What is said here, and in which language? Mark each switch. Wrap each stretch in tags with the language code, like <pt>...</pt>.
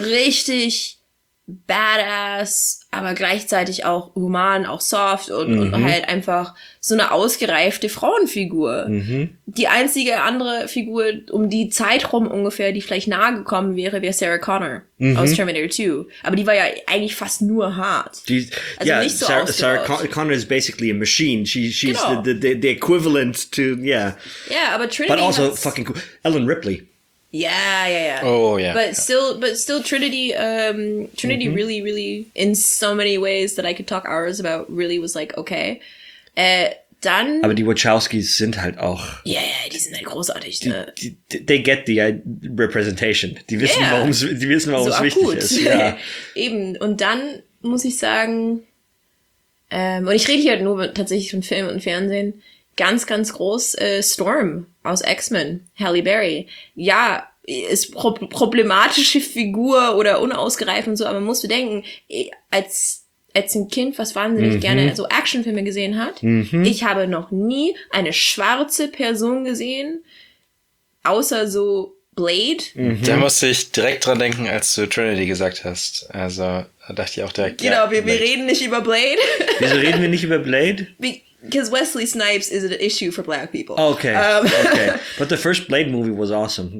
<de>Richtig badass, aber gleichzeitig auch human, auch soft und halt einfach so eine ausgereifte Frauenfigur. Mhm. Die einzige andere Figur um die Zeit rum ungefähr, die vielleicht nahe gekommen wäre, wäre Sarah Connor aus Terminator 2. Aber die war ja eigentlich fast nur hart. Nicht so ausgereift.</de> <en>Sarah Connor is basically a machine. She's</en> <de>genau.</de> <en>the equivalent to, yeah.</en> <de>Yeah, aber Trinity.</de> <en>But also fucking cool. Ellen Ripley. Yeah. Oh, yeah. But still, Trinity mm-hmm. really, really, in so many ways that I could talk hours about, really was like, okay.</en> <de>Dann. Aber die Wachowskis sind halt auch. Yeah, die sind halt großartig. Ne?</de> <en>They get the representation.</en> <de>Die wissen, warum es so wichtig ist. Ja. Eben. Und dann muss ich sagen, und ich rede hier halt nur tatsächlich von Film und Fernsehen. Ganz, ganz groß Storm aus X-Men, Halle Berry. Ja, ist problematische Figur oder unausgereift und so, aber man muss bedenken, als ein Kind, was wahnsinnig gerne so Actionfilme gesehen hat, ich habe noch nie eine schwarze Person gesehen, außer so Blade. Da musste ich direkt dran denken, als du Trinity gesagt hast. Also da dachte ich auch direkt. Genau, ja, wir reden nicht über Blade. Wieso reden wir nicht über Blade?</de> <en>Because Wesley Snipes is an issue for black people. Okay, But the first Blade movie was awesome.</en>